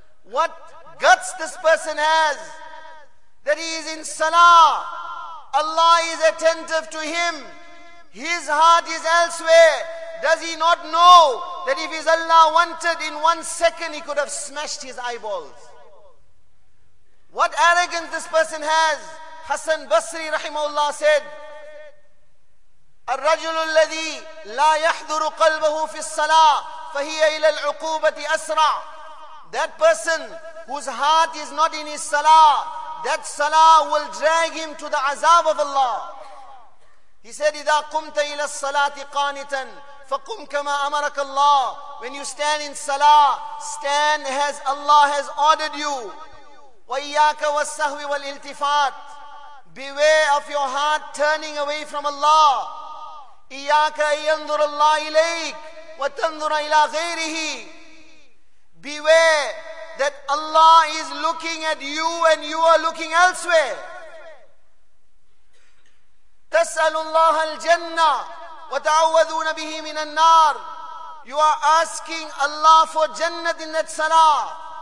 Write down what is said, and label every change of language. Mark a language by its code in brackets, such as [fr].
[en] What guts this person has, that he is in Salah. Allah is attentive to him. His heart is elsewhere. Does he not know that if his Allah wanted, in 1 second he could have smashed his eyeballs? What arrogance this person has. Hassan Basri rahimahullah said, [ar] الرجل الذي لا يحضر قلبه في الصلاة فهي إلى العقوبة أسرع. [en] That person whose heart is not in his salah, that salah will drag him to the azab of Allah. He said, [ar] إذا قمت إلى الصلاة قانتا فقم كما أمرك الله. [en] When you stand in salah, stand as Allah has ordered you. [ar] وإياك والسهو والالتفات. [en] Beware of your heart turning away from Allah. [ar] إياك أن ينظر الله إليك وتنظر إلى غيره. [en] Beware that Allah is looking at you and you are looking elsewhere. [ar] تسأل الله الجنة وتعوذون به من النار. [en] You are asking Allah for Jannah in that salah.